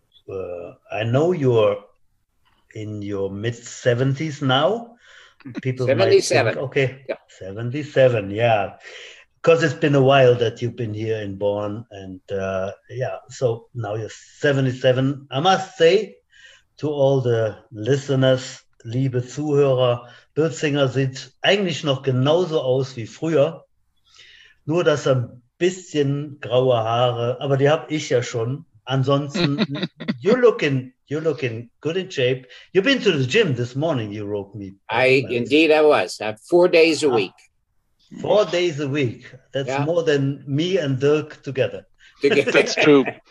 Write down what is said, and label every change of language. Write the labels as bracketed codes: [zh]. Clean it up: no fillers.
[en] I know you're in your mid-70s now. People 77. Think, okay, yeah. 77, yeah. Because it's been a while that you've been here in Bonn. And so now you're 77. I must say to all the listeners, [de] liebe Zuhörer, Bill Singer sieht eigentlich noch genauso aus wie früher. Nur, dass er bisschen graue Haare, aber die habe ich ja schon. Ansonsten, [en] you're looking good in shape. You've been to the gym this morning, you wrote me. Indeed I was. I have 4 days a week. 4 days a week. That's more than me and Dirk together. That's true.